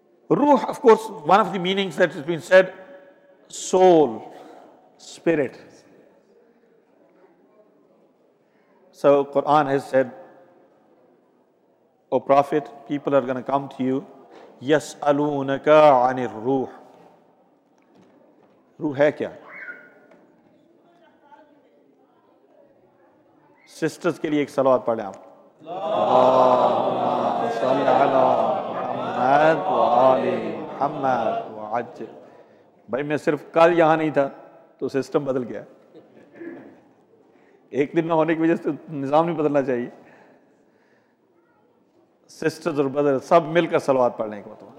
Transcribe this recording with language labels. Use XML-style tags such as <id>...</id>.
<en>Ruh, of course, one of the meanings that has been said, soul, spirit. So Quran has said, O Prophet, people are going to come to you,</en> <ar>yas'alunaka 'anir ruh.</ar> <ur>روح ہے کیا؟ Sisters کے لیے ایک صلوات پڑھیں آپ.</ur> <ar>اللهم صل على محمد وآل محمد وعجل.</ar> <ur>بھائی میں صرف کل یہاں نہیں تھا تو سسٹم بدل گیا. ایک دن نہ ہونے کی وجہ سے نظام نہیں بدلنا چاہیے. سسٹرز اور بدر سب مل کر صلوات پڑھنے کو.</ur>